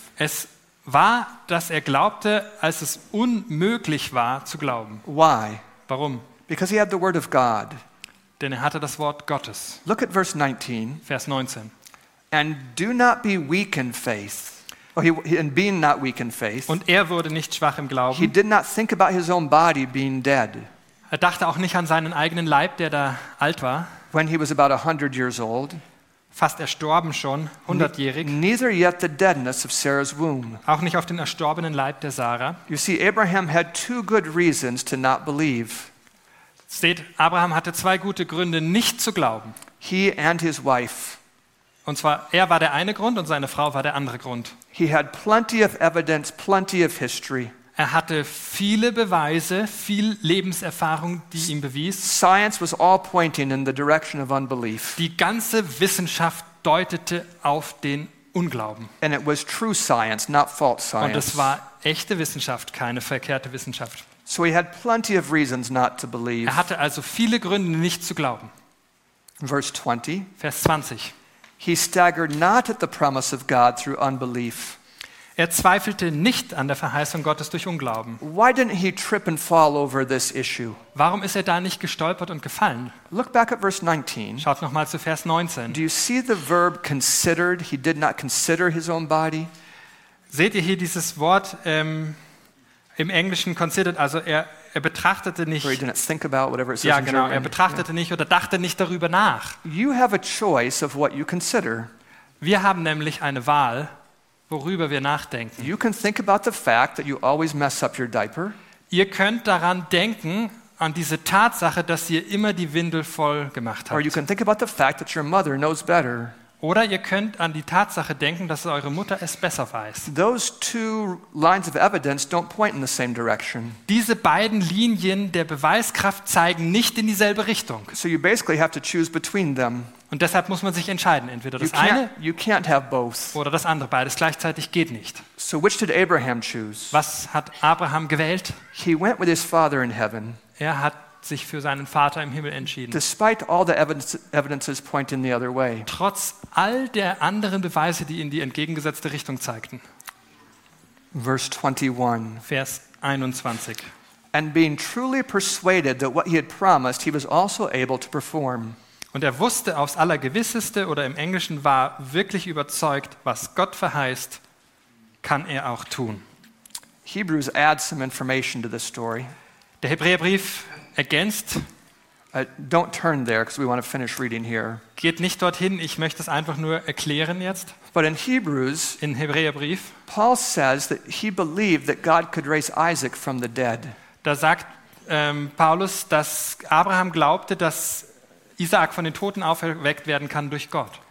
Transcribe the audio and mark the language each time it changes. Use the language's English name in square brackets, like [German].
[German] Es war, dass er glaubte, als es unmöglich war zu glauben. [English] Why? [German] Warum? [English] Because he had the word of God. [German] Denn er hatte das Wort Gottes. [English] Look at verse 19. [German] Vers 19. [English] And do not be weak in faith. Oh, he, and being not weak in faith. [German] Und er wurde nicht schwach im Glauben. [English] He did not think about his own body being dead. [German] Er dachte auch nicht an seinen eigenen Leib, der da alt war. [English] When he was about 100 years old. [German] Fast erstorben schon, 100-jährig. [English] Neither yet the deadness of Sarah's womb. [German] Auch nicht auf den erstorbenen Leib der Sarah. [English] You see, Abraham had two good reasons to not believe. [German] Seht, Abraham hatte zwei gute Gründe, nicht zu glauben. [English] He and his wife. [German] Und zwar, er war der eine Grund und seine Frau war der andere Grund. [English] He had plenty of evidence, plenty of history. [German] Er hatte viele Beweise, viel Lebenserfahrung, die ihm bewies. [English] Science was all pointing in the direction of unbelief. [German] Die ganze Wissenschaft deutete auf den Unglauben. [English] And it was true science, not false science. [German] Und es war echte Wissenschaft, keine verkehrte Wissenschaft. [English] So he had plenty of reasons not to believe. [German] Er hatte also viele Gründe, nicht zu glauben. [English] Verse 20. [German] Vers 20. [English] He staggered not at the promise of God through unbelief. [German] Er zweifelte nicht an der Verheißung Gottes durch Unglauben. [English] Why didn't he trip and fall over this issue? [German] Warum ist er da nicht gestolpert und gefallen? [English] Look back at verse 19. [German] Schaut noch mal zu Vers 19. [English] Do you see the verb considered? He did not consider his own body. [German] Seht ihr hier dieses Wort im Englischen considered? Also er betrachtete nicht. [English] Or he didn't think about whatever it says. [German] Ja, genau. Er betrachtete nicht oder dachte nicht darüber nach. [English] You have a choice of what you consider. [German] Wir haben nämlich eine Wahl, worüber wir nachdenken. [English] You can think about the fact that you always mess up your diaper. [German] Ihr könnt daran denken, an diese Tatsache, dass ihr immer die Windel voll gemacht habt. [English] Or you can think about the fact that your mother knows better. [German] Oder ihr könnt an die Tatsache denken, dass eure Mutter es besser weiß. [English] Those two lines of evidence don't point in the same direction. [German] Diese beiden Linien der Beweiskraft zeigen nicht in dieselbe Richtung. [English] So you basically have to choose between them. [German] Und deshalb muss man sich entscheiden, entweder das [English] you can't have both. [German] Oder das andere, beides gleichzeitig geht nicht. [English] So which did Abraham choose? [German] Was hat Abraham gewählt? [English] He went with his father in heaven. [German] Er hat sich für seinen Vater im Himmel entschieden. [English] Despite all the evidences pointing the other way. [German] Trotz all der anderen Beweise, die in die entgegengesetzte Richtung zeigten. Vers 21. [English] And being truly persuaded that what he had promised, he was also able to perform. [German] Und er wusste aufs Allergewisseste, oder im Englischen, war wirklich überzeugt, was Gott verheißt, kann er auch tun. [English] Hebrews adds some information to this story. [German] Der Hebräerbrief ergänzt. [English] Don't turn there, because we want to finish reading here. [German] Geht nicht dorthin. Ich möchte es einfach nur erklären jetzt. [English] But in Hebrews, [German] in Hebräerbrief, [English] Paul says that he believed that God could raise Isaac from the dead. [German] Da sagt Paulus, dass Abraham glaubte, dass Isaac von den Toten auferweckt werden kann durch Gott.